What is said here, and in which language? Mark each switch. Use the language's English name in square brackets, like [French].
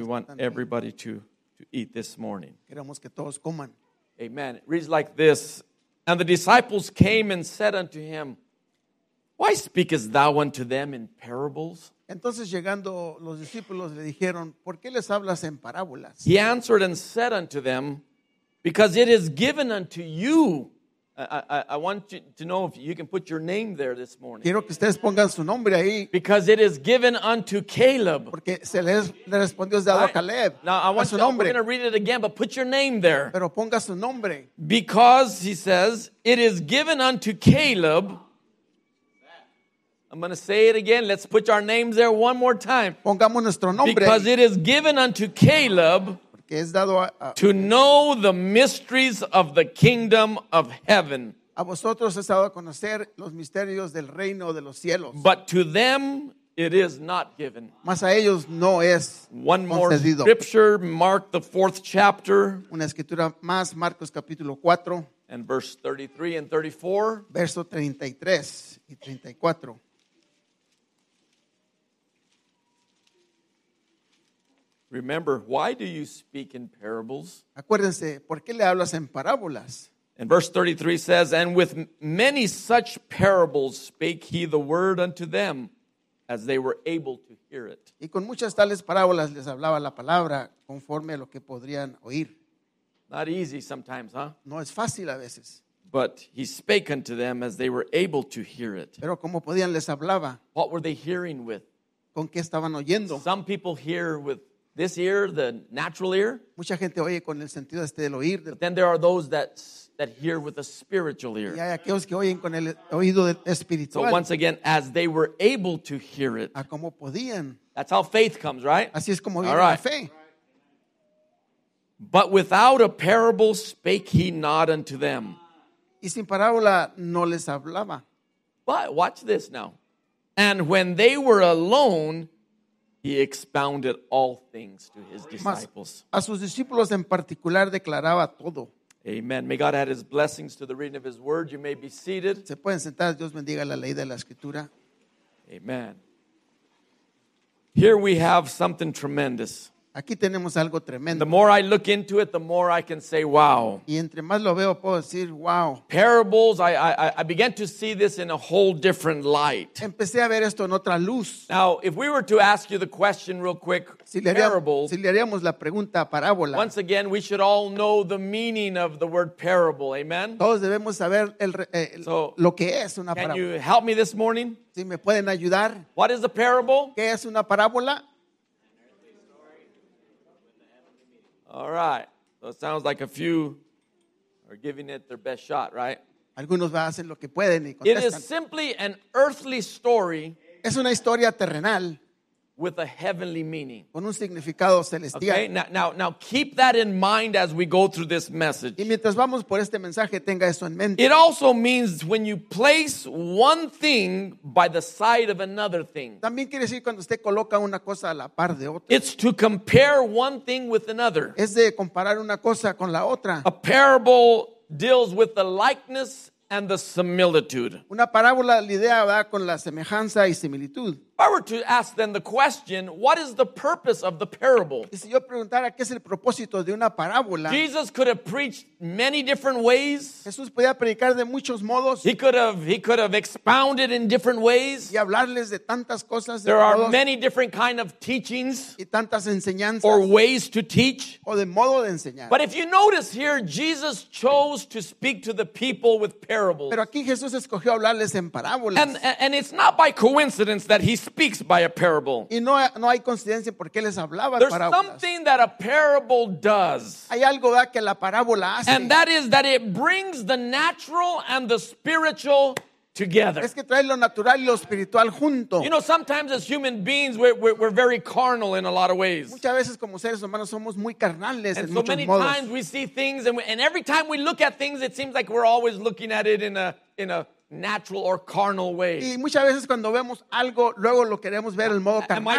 [English] We want everybody to eat this morning. [Spanish] Queremos que todos coman. [English] Amen. It reads like this. And the disciples came and said unto him, why speakest thou unto them in parables? [Spanish] Entonces llegando los discípulos le dijeron, ¿por qué les hablas en parábolas? [English] He answered and said unto them, because it is given unto you. I want you to know if you can put your name there this morning. [Spanish] Quiero que ustedes pongan su nombre ahí. [English] Because it is given unto Caleb. [Spanish] Porque se les respondió dado a Caleb. [English] Now I want [Spanish] su nombre. [English] We're going to read it again, but put your name there. [Spanish] Pero ponga su nombre. [English] Because, he says, it is given unto Caleb. I'm going to say it again. Let's put our names there one more time. [Spanish] Pongamos nuestro nombre. [English] Because it is given unto Caleb. To know the mysteries of the kingdom of heaven. [Spanish] A vosotros es dado a conocer los misterios del reino de los cielos. [English] But to them it is not given. [Spanish] Mas a ellos no es [English] one [Spanish] concedido. [English] More scripture, Mark the fourth chapter. [Spanish] Una escritura más, Marcos capítulo 4. [English] And verse 33 and 34. [Spanish] Verso 33 y 34. [English] Remember, why do you speak in parables? [Spanish] Acuérdense, ¿por qué le hablas en parábolas? [English] And verse 33 says, and with many such parables spake he the word unto them, as they were able to hear it. [Spanish] Y con muchas tales parábolas les hablaba la palabra conforme a lo que podrían oír. [English] Not easy sometimes, huh? [Spanish] No es fácil a veces. [English] But he spake unto them as they were able to hear it. [Spanish] Pero como podían les hablaba. [English] What were they hearing with? [Spanish] ¿Con qué estaban oyendo? [English] Some people hear with this ear, the natural ear. [Spanish] Mucha gente oye con el sentido este del oír. [English] But then there are those that hear with a spiritual ear. [Spanish] Y hay aquellos que oyen con el oído espiritual. [English] So once again, as they were able to hear it. [Spanish] A como podían. [English] That's how faith comes, right? [Spanish] Así es como viene la fe. [English] But without a parable spake he not unto them. [Spanish] Y sin parábola no les hablaba. [English] But watch this now. And when they were alone, he expounded all things to his disciples. [Spanish] A sus discípulos en particular declaraba todo. [English] Amen. May God add his blessings to the reading of his word. You may be seated. [Spanish] Se pueden sentar. Dios bendiga la ley de la escritura. [English] Amen. Here we have something tremendous. [Spanish] Aquí tenemos algo tremendo. [English] The more I look into it, the more I can say, wow. [Spanish] Y entre más lo veo, puedo decir, wow. [English] Parables, I began to see this in a whole different light. [Spanish] Empecé a ver esto en otra luz. [English] Now, if we were to ask you the question real quick, parables. [Spanish] Si le haríamos la pregunta, parábola. [English] Once again, we should all know the meaning of the word parable. Amen? [Spanish] Todos debemos saber lo que es una parábola. [English] Can you help me this morning? [Spanish] Si me pueden ayudar. [English] What is a parable? [Spanish] ¿Qué es una parábola? [English] All right. So it sounds like a few are giving it their best shot, right? [Spanish] Algunos van a hacer lo que pueden y contestan. [English] It is simply an earthly story. [Spanish] Es una historia terrenal [English] with a heavenly meaning. [Spanish] Con un significado celestial. [English] Okay. Now keep that in mind as we go through this message. [Spanish] Y mientras vamos por este mensaje, tenga eso en mente. [English] It also means when you place one thing by the side of another thing. [Spanish] También quiere decir cuando usted coloca una cosa a la par de otra. [English] It's to compare one thing with another. [Spanish] Es de comparar una cosa con la otra. [English] A parable deals with the likeness and the similitude. [Spanish] Una parábola lidia va con la semejanza y similitud. [English] If I were to ask then the question, what is the purpose of the parable? [Spanish] Y si yo preguntara qué es el propósito de una parábola. [English] Jesus could have preached many different ways. [Spanish] Jesús podía predicar de muchos modos. [English] He could have expounded in different ways. [Spanish] Y hablarles de tantas cosas. [English] There [Spanish] de [English] are [Spanish] modos. [English] Many different kind of teachings. [Spanish] Y tantas enseñanzas. [English] Or ways to teach. [Spanish] O de modo de enseñar. [English] But if you notice here, Jesus chose to speak to the people with parables. [Spanish] Pero aquí Jesús escogió hablarles en parábolas. [English] And it's not by coincidence that he speaks by a parable. [Spanish] Y no hay coincidencia porque les hablaba de parábolas. [English] There's something that a parable does. [Spanish] Hay algo que la parábola hace. [English] And that is that it brings the natural and the spiritual together. [Spanish] Es que trae lo natural y lo espiritual junto. [English] You know, sometimes as human beings, we're very carnal in a lot of ways. [Spanish] Muchas veces como seres humanos somos muy carnales en muchos modos. [English] And so many times we see things, and every time we look at things, it seems like we're always looking at it in a natural or carnal way. [Spanish] Y muchas veces cuando vemos algo, luego lo queremos ver el modo carnal.